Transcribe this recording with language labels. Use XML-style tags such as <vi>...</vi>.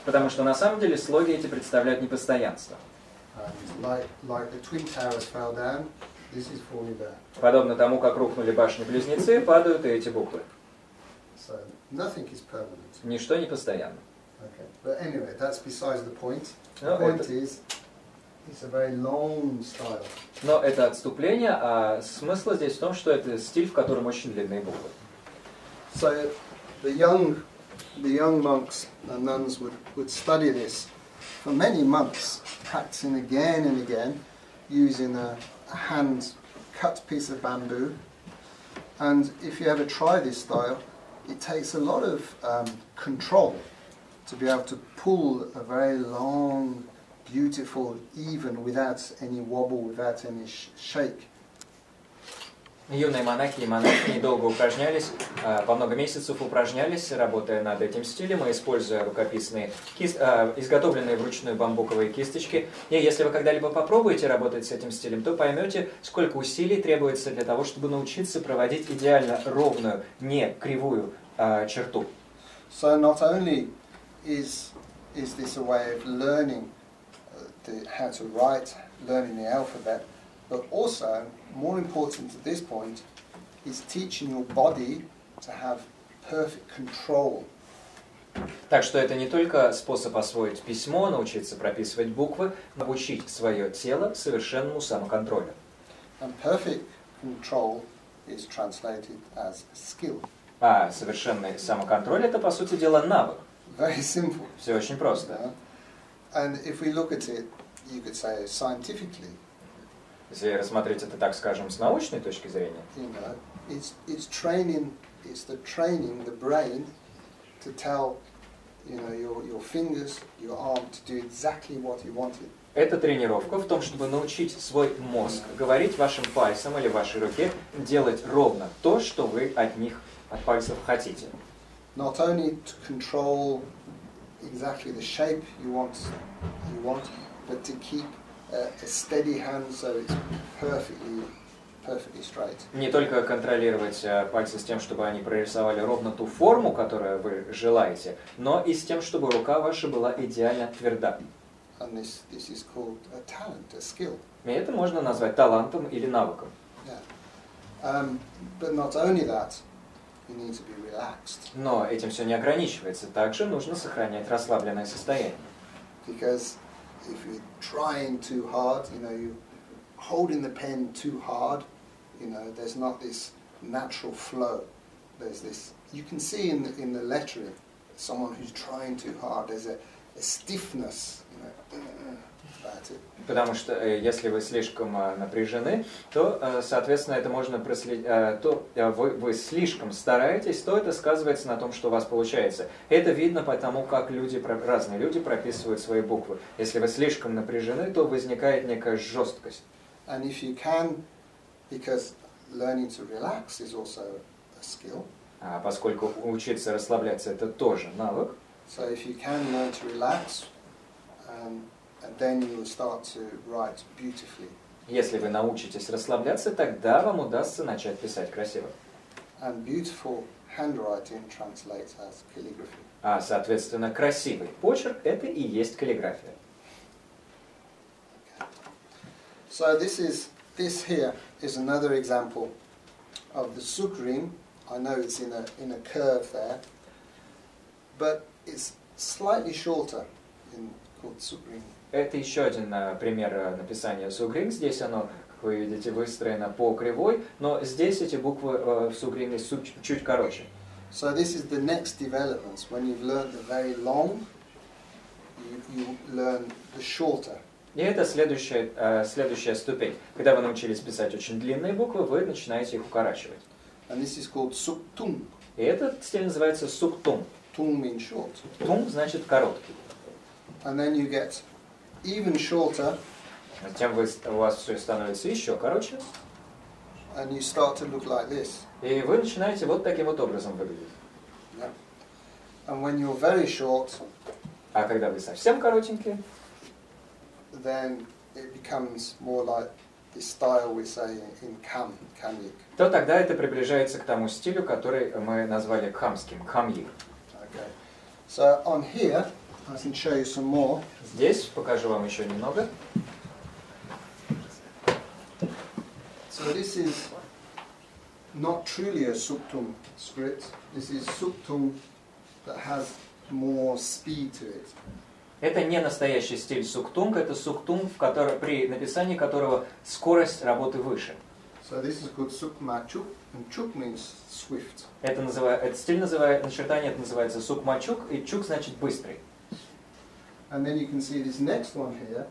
<ru>Потому что на самом деле слоги эти представляют непостоянство.</ru> <en>Like the twin towers fell down, this is falling there.</en> <ru>Подобно тому, как рухнули башни-близнецы, падают и эти буквы.</ru> <en>So nothing is permanent.</en> <ru>Ничто не постоянно.</ru> <en>Okay. But anyway, that's besides the point. The point is... It's a very long style.</en> <ru>Но это отступление, а смысл здесь в том, что это стиль, в котором очень длинные буквы.</ru> <en>So the young monks and nuns would study this for many months, practicing again and again, using a hand-cut piece of bamboo. And if you ever try this style, it takes a lot of control to be able to pull a very long beautiful, even without any wobble, without any shake.</en> <ru>Юные монахи и монахи недолго упражнялись, по много месяцев упражнялись, работая над этим стилем и используя рукописные, изготовленные вручную бамбуковые кисточки. И если вы когда-либо попробуете работать с этим стилем, то поймете, сколько усилий требуется для того, чтобы научиться проводить идеально ровную, не кривую черту.</ru> <en>So not only is this a way of learning how to write, learning the alphabet, but also, more important at this point, is teaching your body to have perfect control.</en> <ru>Так что это не только способ освоить письмо, научиться прописывать буквы, но учить свое тело совершенному самоконтролю.</ru> <en>And perfect control is translated as skill.</en> <ru>А совершенный самоконтроль — это, по сути дела, навык.</ru> <en>Very simple.</en> <ru>Все очень просто.</ru> <en>And if we look at it, you could say scientifically.</en> <ru>Если рассмотреть это, так скажем, с научной точки зрения.</ru> <en>You know, it's training, it's the training the brain to tell, you know, your fingers, your arm to do exactly what you wanted.</en> <ru>Это тренировка в том, чтобы научить свой мозг говорить вашим пальцам или вашей руке делать ровно то, что вы от них, от пальцев хотите.</ru> <en>Not only to control exactly the shape you want, but to keep a steady hand so it's perfectly straight.</en> <ru>Не только контролировать пальцы с тем, чтобы они прорисовали ровно ту форму, которую вы желаете, но и с тем, чтобы рука ваша была идеально тверда.</ru> <en>And this is called a talent, a skill.</en> <ru>И это можно назвать талантом или навыком.</ru> <en>But not only that. You need to be relaxed.</en> <ru>Но этим все не ограничивается. Также нужно сохранять расслабленное состояние.</ru> <en>Because if you're trying too hard, you know, you're holding the pen too hard, you know, there's not this natural flow. There's this. You can see in the lettering, someone who's trying too hard, there's a stiffness, you know, about it.</en> <ru>Потому что если вы слишком напряжены, то, соответственно, это можно проследить. Вы слишком стараетесь, то это сказывается на том, что у вас получается. Это видно по тому, как разные люди прописывают свои буквы. Если вы слишком напряжены, то возникает некая жесткость.</ru> <en>And if you can, because learning to relax is also a skill.</en> <ru>А поскольку учиться расслабляться — это тоже навык.</ru> <en>So if you can learn to relax, then you'll start to write beautifully.</en> <ru>Если вы научитесь расслабляться, тогда вам удастся начать писать красиво.</ru> <en>And beautiful handwriting translates as calligraphy.</en> <ru>А, соответственно, красивый почерк — это и есть каллиграфия.</ru> <en>Okay. So this here is another example of the sugrim. I know it's in a curve there, but it's slightly shorter in called sugrim.</en> <ru>Это еще один пример написания сугрим. Здесь оно, как вы видите, выстроено по кривой, но здесь эти буквы в сугриме чуть короче.</ru> <en>So this is the next developments. When you've learned the very long, you learn the shorter.</en> <ru>И это следующая ступень. Когда вы научились писать очень длинные буквы, вы начинаете их укорачивать.</ru> <en>And this is called суктунг.</en> <ru>И этот стиль называется суктунг.</ru> <en>Тунг means short.</en> <ru>Тунг значит короткий.</ru> <en>And then you get even shorter.</en> <ru>Затем у вас все становится еще короче.</ru> <en>And you start to look like this.</en> <ru>И вы начинаете вот таким вот образом выглядеть.</ru> <en>Yeah. And when you're very short,</en> <ru>а когда вы совсем коротенькие,</ru> <en>then it becomes more like the style we say in Kham, Khamyik.</en> <ru>То тогда это приближается к тому стилю, который мы назвали Khamским, Khamyik.</ru> <en>Okay. So on here, I can show you some more.</en> <ru>Здесь покажу вам еще немного.</ru> <en>So this is not truly a suktung script. This is suktung that has more speed to it.</en> <ru>Это не настоящий стиль суктунг, это суктунг, при написании которого скорость работы выше.</ru> <en>So this is called сукмачук, and чук means swift.</en> <ru>Начертание называется сукмачук, и чук значит быстрый.</ru> <en>And then you can see this next one here.</en>